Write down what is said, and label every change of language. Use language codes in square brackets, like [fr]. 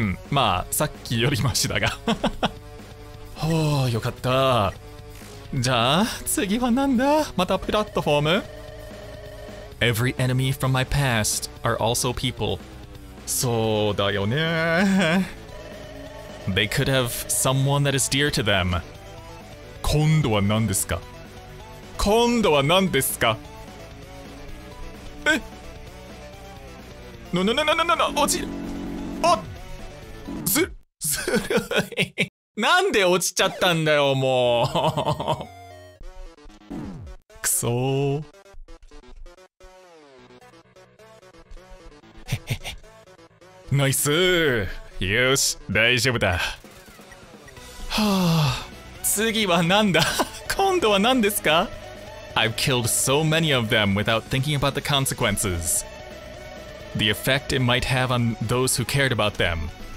[ja] まあさっきよりマシだが。ほう、よかった。じゃあ次はなんだ、またプラットフォーム。 [en] Every enemy from my past are also people。 [ja] そうだよね。 [en] They could have someone that is dear to them。 [ja] 今度は何ですか、今度は何ですか。え、ななな、落ちる。あ、ずるい。なんで落ちちゃったんだよ、もう。くそナイス。よし、大丈夫だ。はあ、次はなんだ、今度は何ですか。 [en] I've killed so many of them without thinking about the consequences. The effect it might have on those who cared about them.